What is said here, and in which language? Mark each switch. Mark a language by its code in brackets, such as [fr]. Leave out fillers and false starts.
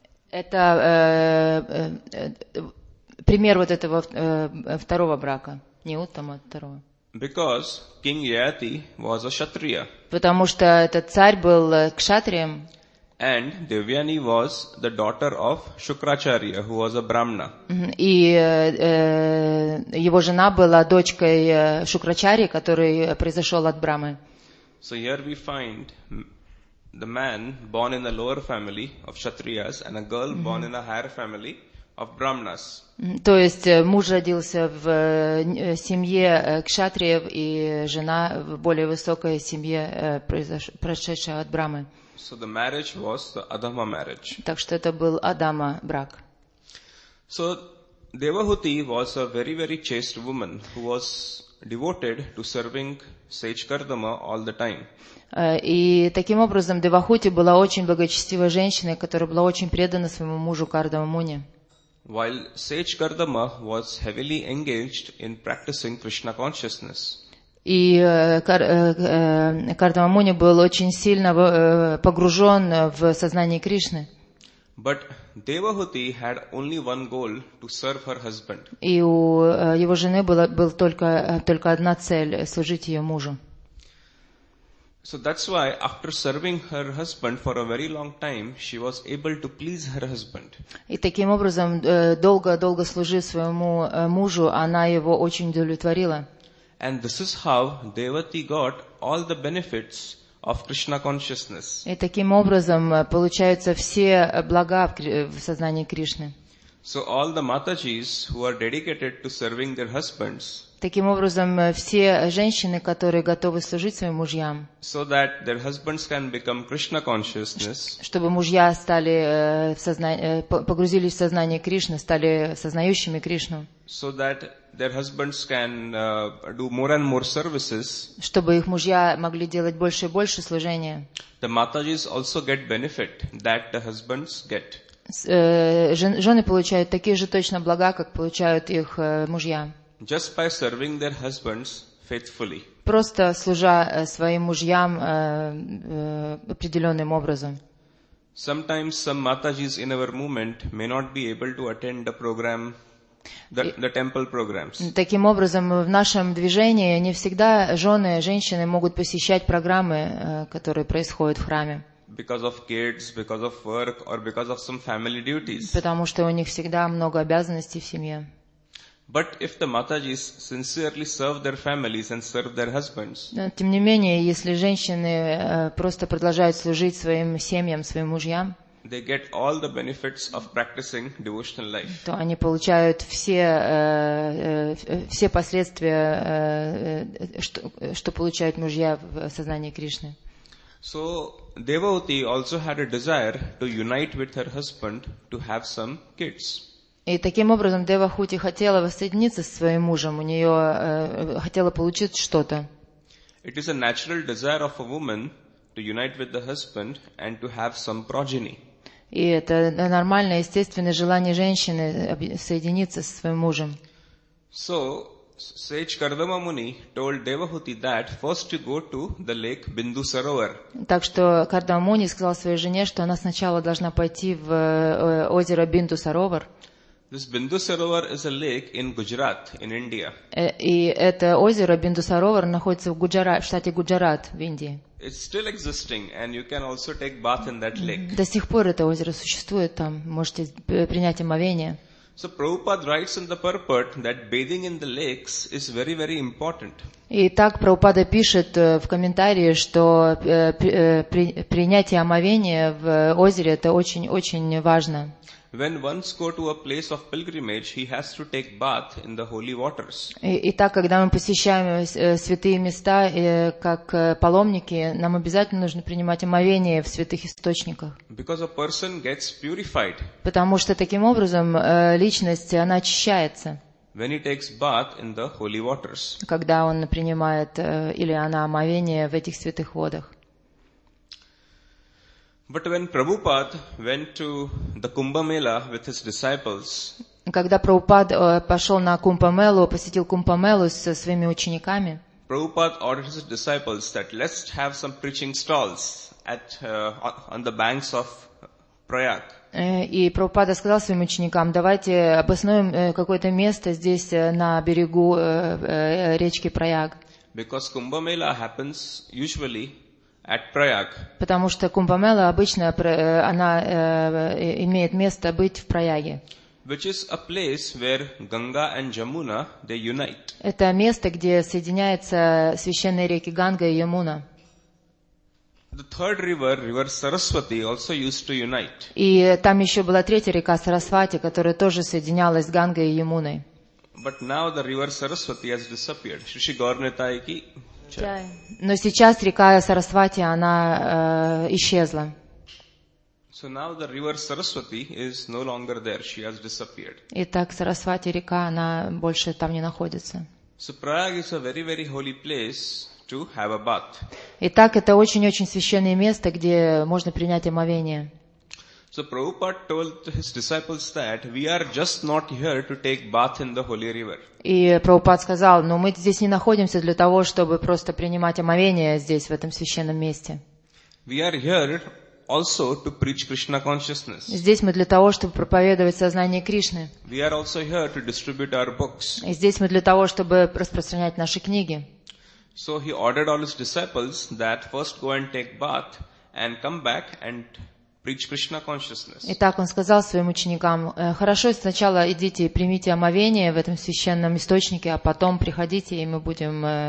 [ru] Это пример вот этого второго брака. Не уттама, а второго. [en] Because King Yayati was a kshatriya. [ru] Потому что этот царь был кшатрием. [en] And Devyani was the daughter of Shukracharya, who was a brahmana. [ru] И его жена была дочкой Шукрачарьи, который произошел от Брамы. [en] So here we find the man born in a lower family of kshatriyas and a girl born in a higher family. Of brahmanas. [ru] То есть муж родился в семье кшатриев и жена в более высокой семье, прошедшая от брамы. [en] So the marriage was the adhama marriage. [ru] Так что это был адама брак. [en] So Devahuti was a very very chaste woman who was devoted to serving sage Kardama all the time. [ru] И таким образом Девахути была очень благочестивой женщиной, которая была очень предана своему мужу Кардама Муни. [en] While Sage Kardama was heavily engaged in practicing Krishna consciousness. [ru] И Кардама Муни был очень сильно погружен в сознание Кришны. [en] But Devahuti had only one goal to serve her husband. [ru] И у его жены был только одна цель — служить ее мужу. [en] So that's why after serving her husband for a very long time, she was able to please her husband. [ru] И таким образом, долго-долго служив своему мужу, она его очень удовлетворила. [en] And this is how Devahuti got all the benefits of Krishna consciousness. [ru] И таким образом, получаются все блага в сознании Кришны. [en] So all the Matajis who are dedicated to serving their husbands. [ru] Таким образом, все женщины, которые готовы служить своим мужьям, [en] so that their husbands can become Krishna consciousness, [ru] чтобы мужья стали погрузились в сознание Кришны, стали сознающими Кришну, [en] so that their husbands can do more and more services, [ru] чтобы их мужья могли делать больше и больше служения, [en] the Matajis also get benefit that the husbands get. [ru] Жены получают такие же точно блага, как получают их мужья. [en] Just by serving their husbands faithfully. [ru] Просто служа своим мужьям определенным образом. [en] Sometimes some Matajis in our movement may not be able to attend the program, the temple programs. [ru] Таким образом, в нашем движении не всегда жены, женщины могут посещать программы, которые происходят в храме. [en] Because of kids, because of work, or because of some family duties. [ru] Потому что у них всегда много обязанностей в семье. [en] But if the Matajis sincerely serve their families and serve their husbands. [ru] Тем не менее, если женщины просто продолжают служить своим семьям, своим мужьям, [en] they get all the benefits of practicing devotional life. [ru] То они получают все последствия, что получают мужья в сознании Кришны. [en] So Devahuti also had a desire to unite with her husband to have some kids. [ru] И таким образом Девахути хотела воссоединиться со своим мужем, у нее хотела получить что-то. [en] It is a natural desire of a woman to unite with the husband and to have some progeny. [ru] И это нормальное, естественное желание женщины соединиться со своим мужем. [en] So Sage Kardama Muni told Devahuti that first you go to the lake Bindu Sarovar. [ru] Так что Кардама Муни сказал своей жене, что она сначала должна пойти в озеро Бинду Саровар. [en] This Bindu Sarovar is a lake in Gujarat, in India. [ru] И это озеро Бинду Саровар находится в Гуджарате, в штате Гуджарат, в Индии. [en] It's still existing, and you can also take bath in that lake. [ru] До сих пор это озеро существует там, можете принять омовение. [en] So Prabhupada writes in the purport that bathing in the lakes is very very important. [ru] И так Прабхупада пишет в комментарии, что принятие омовения в озере — это очень очень важно. [en] When one goes to a place of pilgrimage, he has to take bath in the holy waters. [ru] И так, когда мы посещаем святые места, как паломники, нам обязательно нужно принимать омовение в святых источниках. [en] Because a person gets purified. [ru] Потому что таким образом личность она очищается. [en] When he takes bath in the holy waters. [ru] Когда он принимает или она омовение в этих святых водах. [en] But when Prabhupada went to the Kumbh Mela with his disciples, [ru] когда Прабхупада пошел на Кумбамелу, посетил Кумбамелу со своими учениками, [en] Prabhupada ordered his disciples that let's have some preaching stalls at on the banks of Prayag. [ru] И Прабхупада сказал своим ученикам: давайте обосновим какое-то место здесь на берегу речки Прайаг. [en] Because Kumbh Mela happens usually. At Prayag. [ru] Потому что Кумбамела обычно она имеет место быть в Прайаге. [en] Which is a place where Ganga and Jamuna they unite. [ru] Это место, где соединяются священные реки Ганга и Ямуна. [en] The third river, river Saraswati, also used to unite. [ru] И там еще была третья река Сарасвати, которая тоже соединялась с Гангой и Ямуной. [en] But now the river Saraswati has disappeared. Шриши Гаурнитай ки. [ru] Но сейчас река Сарасвати, она исчезла. [en] So now the river Saraswati is no longer there. She has disappeared. [ru] Итак, Сарасвати река, она больше там не находится. [en] So Prayag is a very, very holy place to have a bath. [ru] Итак, это очень-очень священное место, где можно принять омовение. [en] So Prabhupada told his disciples that we are just not here to take bath in the holy river. [ru] И Прабхупада сказал: "Но мы здесь не находимся для того, чтобы просто принимать омовение здесь в этом священном месте. [en] We are here also to preach Krishna consciousness. [ru] Здесь мы для того, чтобы проповедовать сознание Кришны. [en] We are also here to distribute our books. [ru] И здесь мы для того, чтобы распространять наши книги. [en] So he ordered all his disciples that first go and take bath and come back and preach Krishna consciousness. [ru] Итак, он сказал своим ученикам: хорошо, сначала идите и примите омовение в этом священном источнике, а потом приходите, и мы будем